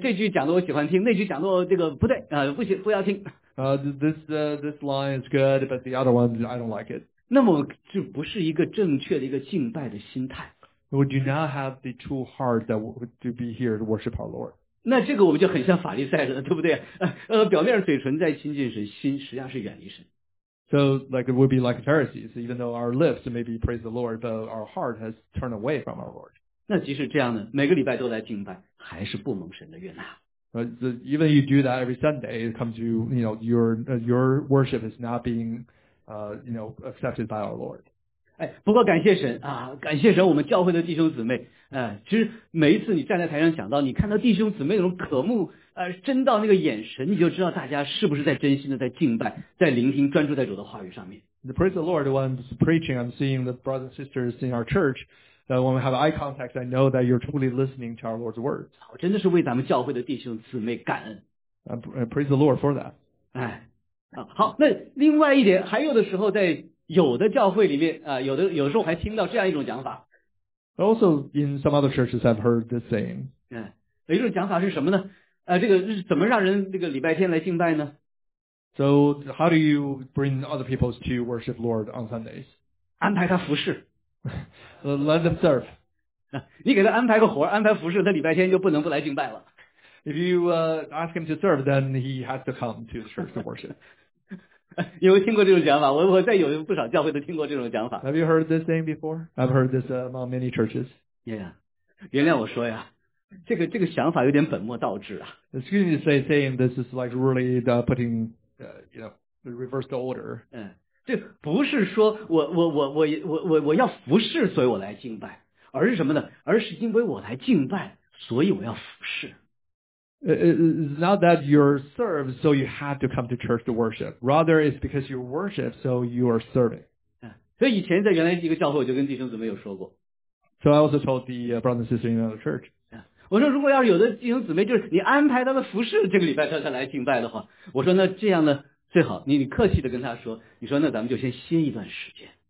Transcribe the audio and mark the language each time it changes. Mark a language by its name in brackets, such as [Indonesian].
[Chinese] 这句讲的我喜欢听，那句讲的这个不对，不行，不要听。 [English] This line is good, but the other one I don't like it. [Chinese] 那么就不是一个正确的一个敬拜的心态。 [English] We do not have the true heart that to be here to worship our Lord. [Chinese] 那这个我们就很像法利赛人了，对不对？表面嘴唇在亲近神，心实际上是远离神。 [English] So like it would be like Pharisees, even though our lips maybe praise the Lord, but our heart has turned away from our Lord. [Chinese] 那即使这样呢，每个礼拜都来敬拜，还是不蒙神的悦纳。 [English] Even you do that every Sunday, it comes to your worship is not being accepted by our Lord. [Chinese] 不过感谢神啊，感谢神，我们教会的弟兄姊妹，其实每一次你站在台上讲到，你看到弟兄姊妹那种渴慕，真到那个眼神，你就知道大家是不是在真心的在敬拜，在聆听，专注在主的话语上面。 [English] The praise the Lord when I'm preaching, I'm seeing the brothers and sisters in our church. That when we have eye contact, I know that you're truly listening to our Lord's words. [Chinese] 我真的是为咱们教会的弟兄姊妹感恩。 [English] Praise the Lord for that. [Chinese] 好，那另外一点，还有的时候在。有的教会里面有的时候还听到这样一种讲法。 [English] Also in some other churches I've heard this saying. [Chinese] 有一种讲法是什么呢？这个是怎么让人这个礼拜天来敬拜呢？ [English] So how do you bring other people to worship Lord on Sundays? [Chinese] 安排他服侍。 [English] Let them serve. [Chinese] 你给他安排个活，安排服侍，他礼拜天就不能不来敬拜了。 [English] If you ask him to serve, then he has to come to the church to worship. [Chinese] 有没有听过这种讲法？我在有不少教会都听过这种讲法。 [English] Have you heard this thing before? I've heard this among many churches. [Chinese] Yeah, 原谅我说呀，这个想法有点本末倒置啊。 [English] Excuse me to say, saying this is like really the putting, the reverse order. [Chinese] 这不是说我要服侍，所以我来敬拜，而是什么呢？而是因为我来敬拜，所以我要服侍。 [English] It's not that you're served, so you have to come to church to worship. Rather, it's because you worship, so you are serving. [Chinese] 所以以前在原来一个教会，我就跟弟兄姊妹有说过。 [English] So I also told the brothers and sisters in another church. [Chinese] 我说如果要是有的弟兄姊妹就是你安排他们服侍这个礼拜他才来敬拜的话，我说那这样呢最好，你客气的跟他说，你说那咱们就先歇一段时间。